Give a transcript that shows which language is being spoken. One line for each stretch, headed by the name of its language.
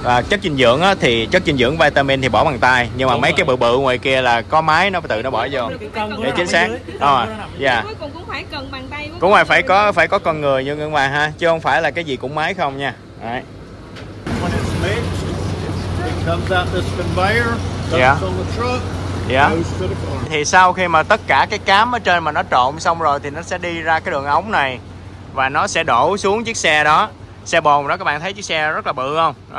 Vietnamese: Chất dinh dưỡng á, thì chất dinh dưỡng vitamin thì bỏ bằng tay, nhưng mà đúng mấy rồi. Cái bự bự ngoài kia là có máy nó tự nó bỏ vô để chính xác. Cũng phải cần bằng tay, cũng phải có con người như người ngoài ha, chứ không phải là cái gì cũng máy không nha. Đấy.
English: When it's mixed, it comes out this conveyor, comes on the truck, goes to the farm.
Vietnamese: Thì sau khi mà tất cả cái cám ở trên mà nó trộn xong rồi thì nó sẽ đi ra cái đường ống này và nó sẽ đổ xuống chiếc xe đó, xe bồn đó, các bạn thấy chiếc xe rất là bự không?